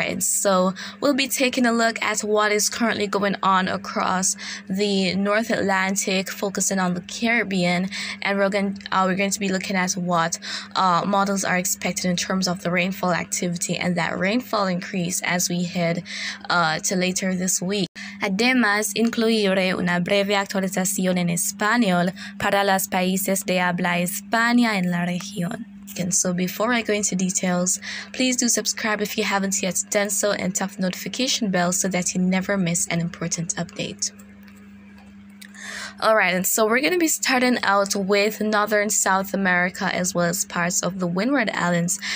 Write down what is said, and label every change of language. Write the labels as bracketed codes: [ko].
[en] And so we'll be taking a look at what is currently going on across the North Atlantic, focusing on the Caribbean. And we're going to be looking at what models are expected in terms of the rainfall activity and that rainfall increase as we head to later this week. [es] Además, incluiré una breve actualización en español para los países de habla hispana en la región. [en] And so before I go into details, please do subscribe if you haven't yet done so and tap the notification bell so that you never miss an important update. Alright, and so we're going to be starting out with Northern South America as well as parts of the Windward Islands.